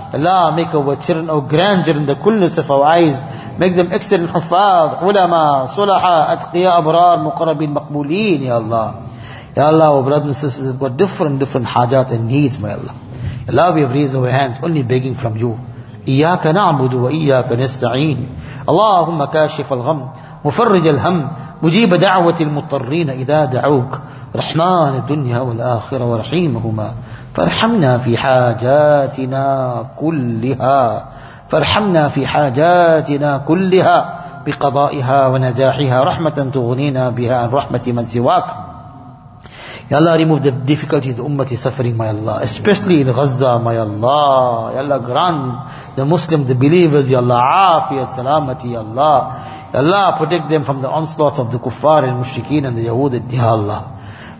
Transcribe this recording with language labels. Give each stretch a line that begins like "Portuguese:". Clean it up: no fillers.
English: Allah, make our children our grandeur in the coolness of our eyes. Make them excellent huffaz, ulama, sulaha, atqiya, abrar, muqarabin, maqbuleen, ya Allah. Ya Allah, our brothers and sisters have got different hajat and needs, my Allah. Allah, we have raised our hands only begging from you.
Arabic: إياك نعبد وإياك نستعين اللهم كاشف الغم مفرج الهم مجيب دعوة المضطرين إذا دعوك رحمن الدنيا والآخرة ورحيمهما فارحمنا في حاجاتنا كلها بقضائها ونجاحها رحمة تغنينا بها عن رحمة من سواك.
English: Ya Allah, remove the difficulties the ummah is suffering, my Allah. Especially in Gaza, my Allah. Ya Allah, grant the Muslims, the believers, ya Allah, afiyat salamati, ya Allah. Ya Allah, protect them from the onslaughts of the kuffar and mushrikeen and the yahood, ya Allah.